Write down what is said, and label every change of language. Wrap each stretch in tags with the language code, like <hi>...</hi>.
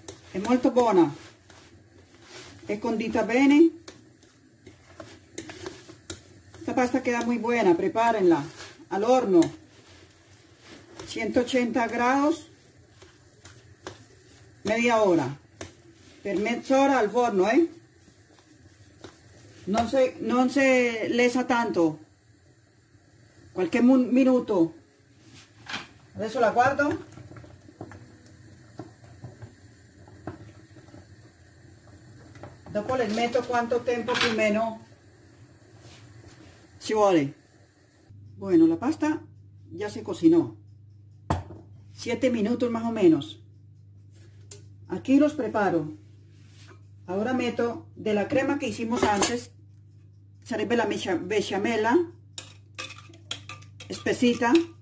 <it>È molto buona, è condita bene. Questa pasta</it> <es>queda muy buena, prepárenla al horno, 180 grados. media hora.</es> <it>Per mezza ora al forno, eh? Non se lesa tanto. Qualche minuto. Adesso la guardo. Dopo le metto quanto tempo più o meno ci vuole.</it> <es>Bueno, la pasta ya se cocinó. 7 minutos más o menos. Aquí los preparo. Ahora meto de la crema que hicimos antes,</es> <it>sarebbe la besciamella</it> <es>espesita.</es>